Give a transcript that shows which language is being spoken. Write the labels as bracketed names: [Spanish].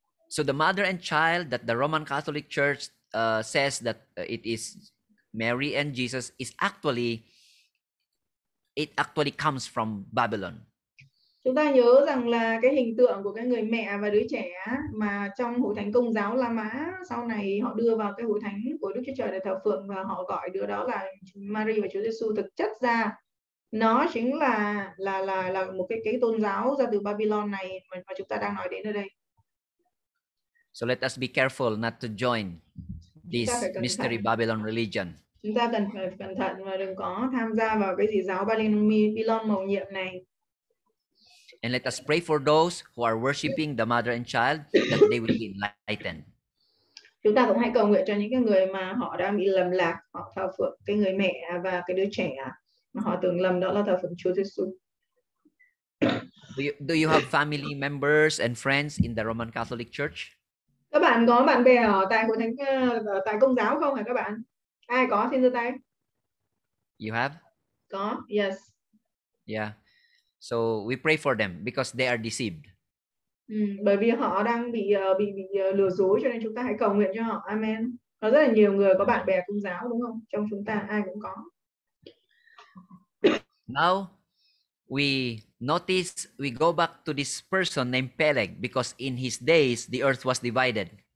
[English] So the mother and child that the Roman Catholic Church says that it is Mary and Jesus is actually comes from Babylon. [Vietnamese] Chúng ta nhớ rằng là cái hình tượng của cái người mẹ và đứa trẻ mà trong Hội Thánh Công giáo La Mã sau này họ đưa vào cái Hội Thánh của Đức Chúa Trời để thờ phượng và họ gọi đứa đó là Mary và Chúa Giêsu, thực chất ra nó chính là một cái tôn giáo ra từ Babylon này mà chúng ta đang nói đến ở đây. [English] So let us be careful not to join this mystery Babylon religion. [Vietnamese] Chúng ta cần phải cẩn thận và đừng có tham gia vào cái dị giáo Babylon màu nhiệm này. [English] And let us pray for those who are worshiping the mother and child that they will be enlightened. [Vietnamese] Chúng ta cũng hãy cầu nguyện cho những cái người mà họ đang bị lầm lạc, họ thờ phượng cái người mẹ và cái đứa trẻ mà họ tưởng lầm đó là thờ phượng Chúa Giêsu. [English] Do you have family members and friends in the Roman Catholic Church? [Vietnamese] Các bạn có bạn bè ở tại Hội Thánh tại Công giáo không hả các bạn? Ai có xin giơ tay. [English] You have? [Vietnamese] Có, yes. [English] Yeah. So we pray for them because they are deceived. [Vietnamese] Bởi vì họ đang bị lừa dối, cho nên chúng ta hãy cầu nguyện cho họ. Amen. Có rất là nhiều người có bạn bè Công giáo đúng không? Trong chúng ta ai cũng có. Now we notice we go back to this person named Peleg because in his days the earth was divided.